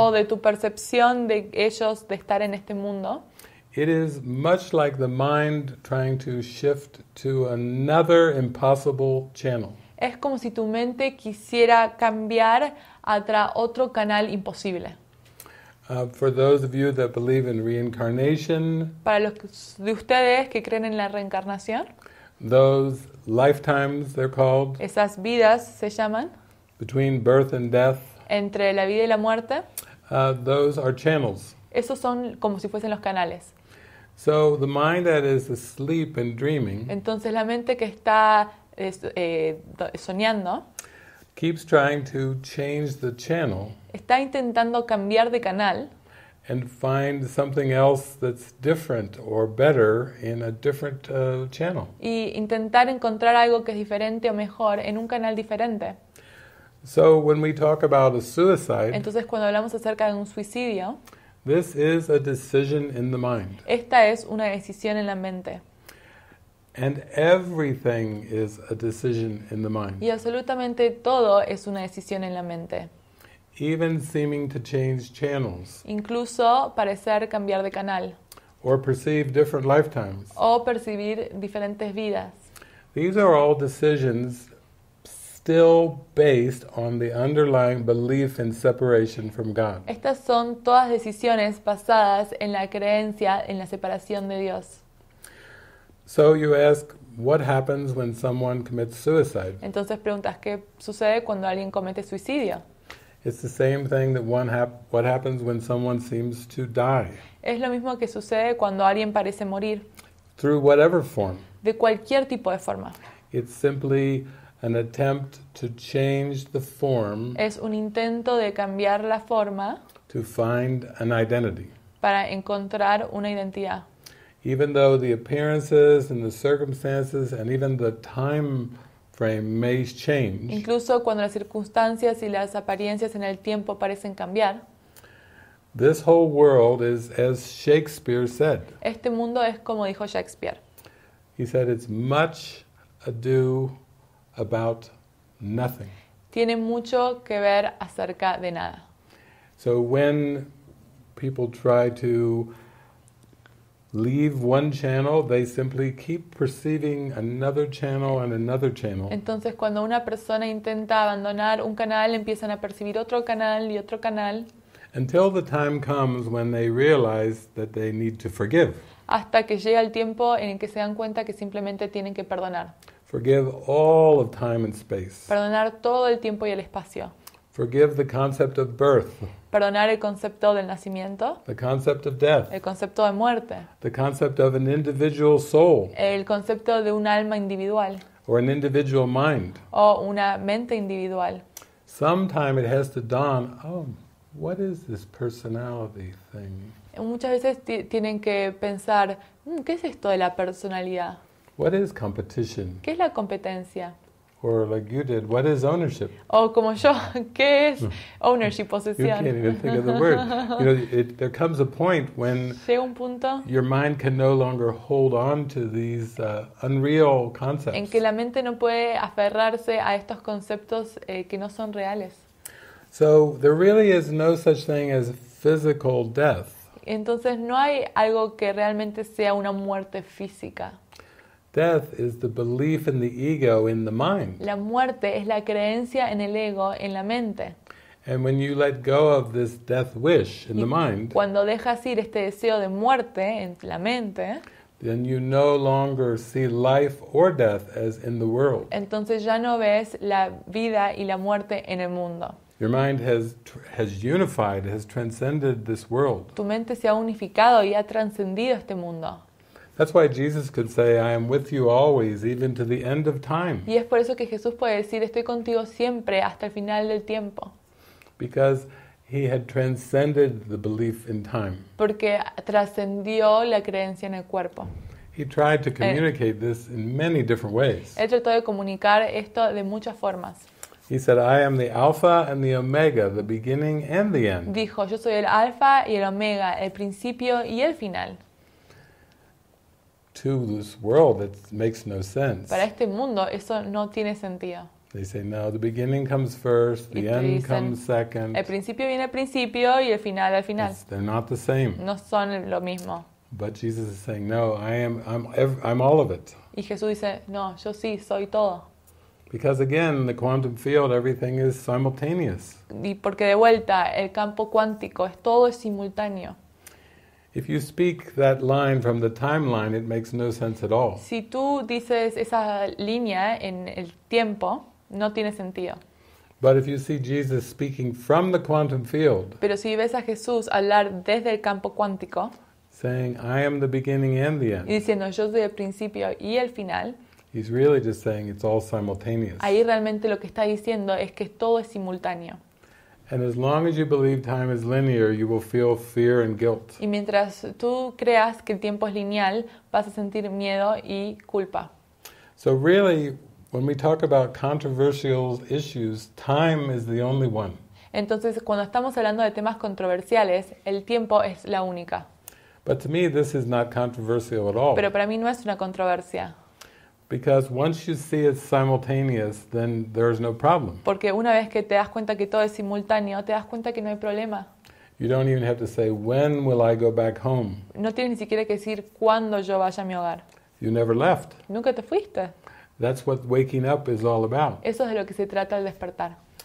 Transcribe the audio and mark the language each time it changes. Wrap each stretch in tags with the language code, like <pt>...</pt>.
<es>o de tu percepción de ellos de estar en este mundo,</es> <en>it is much like the mind trying to shift to another impossible channel.</en> <es>Es como si tu mente quisiera cambiar a otro canal imposible.</es> <en>For those of you that believe in reincarnation,</en> <es>para los de ustedes que creen en la reencarnación,</es> <en>those lifetimes they're called,</en> <es>esas vidas se llaman,</es> <en>between birth and death,</en> <es>entre la vida y la muerte,</es> <en>those are channels.</en> <es>Esos son como si fuesen los canales.</es> <en>So the mind that is asleep and dreaming,</en> <es>entonces la mente que está soñando,</es> <en>keeps trying to change the channel,</en> <es>está intentando cambiar de canal,</es> <en>and find something else that's different or better in a different channel,</en> <es>y intentar encontrar algo que es diferente o mejor en un canal diferente.</es> <en>So when we talk about a suicide,</en> <es>entonces cuando hablamos acerca de un suicidio,</es> <en>this is a decision in the mind.</en> <es>Esta es una decisión en la mente.</es> <en>And everything is a decision in the mind.</en> <es>Y absolutamente todo es una decisión en la mente.</es> <en>Even seeming to change channels.</en> <es>Incluso parecer cambiar de canal.</es> <en>Or perceive different lifetimes.</en> <es>O percibir diferentes vidas.</es> <en>These are all decisions still based on the underlying belief in separation from God.</en> <es>Estas son todas decisiones basadas en la creencia en la separación de Dios.</es> <en>So you ask, what happens when someone commits suicide?</en> <es>Entonces preguntas, ¿qué sucede cuando alguien comete suicidio?</es> <en>It's the same thing that what happens when someone seems to die.</en> <es>Es lo mismo que sucede cuando alguien parece morir.</es> <en>Through whatever form.</en> <es>De cualquier tipo de forma.</es> <en>It's simply an attempt to change the form.</en> <es>Es un intento de cambiar la forma.</es> <en>To find an identity.</en> <es>Para encontrar una identidad.</es> <en>Even though the appearances and the circumstances and even the time frame may change.</en> <es>Incluso cuando las circunstancias y las apariencias en el tiempo parecen cambiar.</es> <en>This whole world is as Shakespeare said.</en> <es>Este mundo es como dijo Shakespeare.</es> <en>He said it's much ado about nothing.</en> <es>Tiene mucho que ver acerca de nada.</es> <en>So when people try to leave one channel, they simply keep perceiving another channel and another channel.</en> <es>Entonces, cuando una persona intenta abandonar un canal, empiezan a percibir otro canal y otro canal.</es> <en>Until the time comes when they realize that they need to forgive.</en> <es>Hasta que llega el tiempo en el que se dan cuenta que simplemente tienen que perdonar.</es> <en>Forgive all of time and space.</en> <es>Perdonar todo el tiempo y el espacio.</es> <en>Forgive the concept of birth.</en> <es>Perdonar el concepto del nacimiento.</es> <en>The concept of death.</en> <es>El concepto de muerte.</es> <en>The concept of an individual soul.</en> <es>El concepto de un alma individual.</es> <en>Or an individual mind.</en> <es>O una mente individual.</es> <en>Sometime it has to dawn, oh, what is this personality thing?</en> <es>muchas veces tienen que pensar, ¿qué es esto de la personalidad?</es> <en>What is competition?</en> <es>¿Qué es la competencia?</es> <en>Or like you did, what is ownership?</en> <es>O como yo, ¿qué es ownership, posesión?</es> <en>You can't even think of the word. You know, there comes a point when your mind can no longer hold on to these unreal concepts.</en> <es>En que la mente no puede aferrarse a estos conceptos que no son reales.</es> <en>So there really is no such thing as physical death.</en> <es>Entonces no hay algo que realmente sea una muerte física.</es> <en>Death is the belief in the ego in the mind.</en> <es>La muerte es la creencia en el ego en la mente.</es> <en>And when you let go of this death wish in the mind,</en> <es>cuando dejas ir este deseo de muerte en la mente,</es> <en>then you no longer see life or death as in the world.</en> <es>Entonces ya no ves la vida y la muerte en el mundo.</es> <en>Your mind has unified, has transcended this world.</en> <es>Tu mente se ha unificado y ha trascendido este mundo.</es> <en>That's why Jesus could say, "I am with you always, even to the end of time."</en> <es>Y es por eso que Jesús puede decir, "Estoy contigo siempre hasta el final del tiempo."</es> <en>Because he had transcended the belief in time.</en> <es>Porque trascendió la creencia en el cuerpo.</es> <en>He tried to communicate this in many different ways.</en> <es>Él trató de comunicar esto de muchas formas.</es> <en>He said, "I am the Alpha and the Omega, the beginning and the end."</en> <es>Dijo, "Yo soy el Alfa y el Omega, el principio y el final."</es> <en>To this world, it makes no sense.</en> <es>Para este mundo, eso no tiene sentido.</es> <en>They say, "No, the beginning comes first, the end comes second."</en> <es>El principio viene al principio y el final al final.</es> <en>They're not the same.</en> <es>No son lo mismo.</es> <en>But Jesus is saying, "No, I'm all of it."</en> <es>Y Jesús dice, "No, yo sí soy todo."</es> <en>Because again, the quantum field, everything is simultaneous.</en> <es>Y porque de vuelta, el campo cuántico, todo es simultáneo.</es> <en>If you speak that line from the timeline, it makes no sense at all.</en> <es>Si tú dices esa línea en el tiempo, no tiene sentido.</es> <en>But if you see Jesus speaking from the quantum field,</en> <es>pero si ves a Jesús hablar desde el campo cuántico,</es> <en>saying, "I am the beginning and the end,"</en> <es>y diciendo, "Yo soy el principio y el final,"</es> <en>he's really just saying it's all simultaneous.</en> <es>Ahí realmente lo que está diciendo es que todo es simultáneo.</es> <en>And as long as you believe time is linear, you will feel fear and guilt.</en> <es>Y mientras tú creas que el tiempo es lineal, vas a sentir miedo y culpa.</es> <en>So really, when we talk about controversial issues, time is the only one.</en> <es>Entonces, cuando estamos hablando de temas controversiales, el tiempo es la única.</es> <en>But to me, this is not controversial at all.</en> <es>Pero para mí no es una controversia.</es> <en>Because once you see it's simultaneous, then there's no problem.</en> <es>Porque una vez que te das cuenta que todo es simultáneo, te das cuenta que no hay problema.</es> <en>You don't even have to say, "When will I go back home?"</en> <es>No tienes ni siquiera que decir cuándo yo vaya a mi hogar.</es> <en>You never left.</en> <es>Nunca te fuiste.</es> <en>That's what waking up is all about.</en> <es>Eso es de lo que se trata al despertar.</es>